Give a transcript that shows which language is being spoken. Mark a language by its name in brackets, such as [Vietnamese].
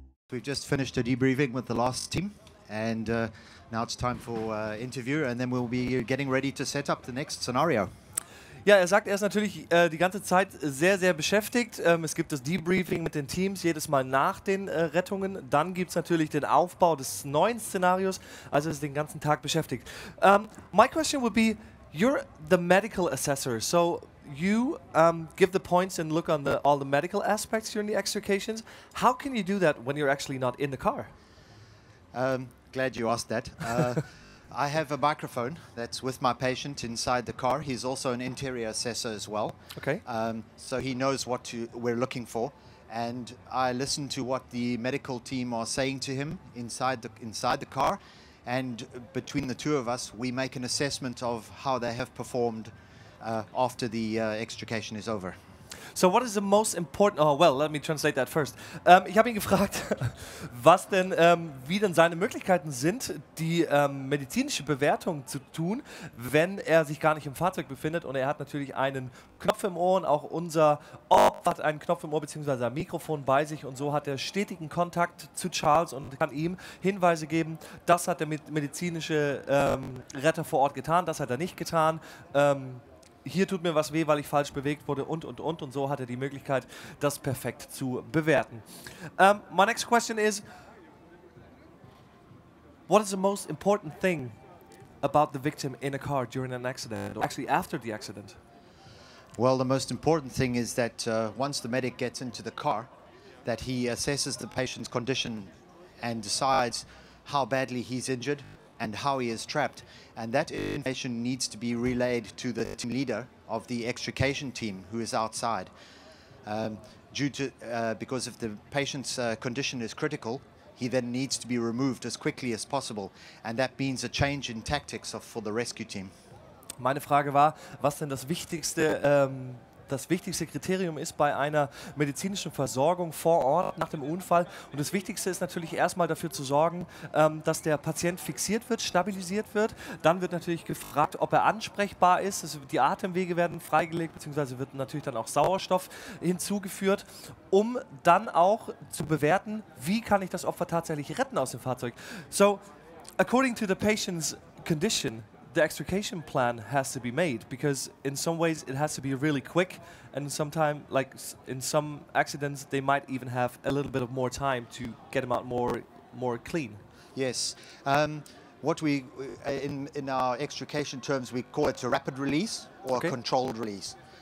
[English] We've just finished a debriefing with the last team, and now it's time for interview, and then we'll be getting ready to set up the next scenario. [German] Ja, sagt, ist natürlich die ganze Zeit sehr, sehr beschäftigt. Es gibt das Debriefing mit den Teams jedes Mal nach den Rettungen. Dann gibt es natürlich den Aufbau des neuen Szenarios. Also ist den ganzen Tag beschäftigt. [English] My question would be, you're the medical assessor, so you give the points and look on all the medical aspects during the extrications. How can you do that when you're actually not in the car? Glad you asked that. I have a microphone that's with my patient inside the car. He's also an interior assessor as well. Okay. So he knows what we're looking for. And I listen to what the medical team are saying to him inside the car. And between the two of us, we make an assessment of how they have performed after the extrication is over. So what is the most important, oh well, let me translate that first. [German] Ich habe ihn gefragt, was denn, wie denn seine Möglichkeiten sind, die medizinische Bewertung zu tun, wenn er sich gar nicht im Fahrzeug befindet. Und er hat natürlich einen Knopf im Ohr und auch unser Ob hat einen Knopf im Ohr bzw. ein Mikrofon bei sich. Und so hat er stetigen Kontakt zu Charles und kann ihm Hinweise geben, das hat der medizinische Retter vor Ort getan, das hat er nicht getan. Hier tut mir was weh, weil ich falsch bewegt wurde und so hat er die Möglichkeit, das perfekt zu bewerten. [English] My next question is, what is the most important thing about the victim in a car during an accident, or actually after the accident? Well, the most important thing is that once the medic gets into the car, that he assesses the patient's condition and decides how badly he's injured and how he is trapped, and that information needs to be relayed to the team leader of the extrication team who is outside. Because if the patient's condition is critical, he then needs to be removed as quickly as possible, and that means a change in tactics for the rescue team. [German] Meine Frage war, was denn das wichtigste Kriterium ist bei einer medizinischen Versorgung vor Ort nach dem Unfall. Und das Wichtigste ist natürlich erstmal dafür zu sorgen, dass der Patient fixiert wird, stabilisiert wird. Dann wird natürlich gefragt, ob er ansprechbar ist. Also die Atemwege werden freigelegt, beziehungsweise wird natürlich dann auch Sauerstoff hinzugeführt, um dann auch zu bewerten, wie kann ich das Opfer tatsächlich retten aus dem Fahrzeug. [English] So, according to the patient's condition, the extrication plan has to be made, because in some ways it has to be really quick, and sometimes, like in some accidents, they might even have a little bit of more time to get them out more clean. Yes, what we in our extrication terms we call it a rapid release or okay. A controlled release.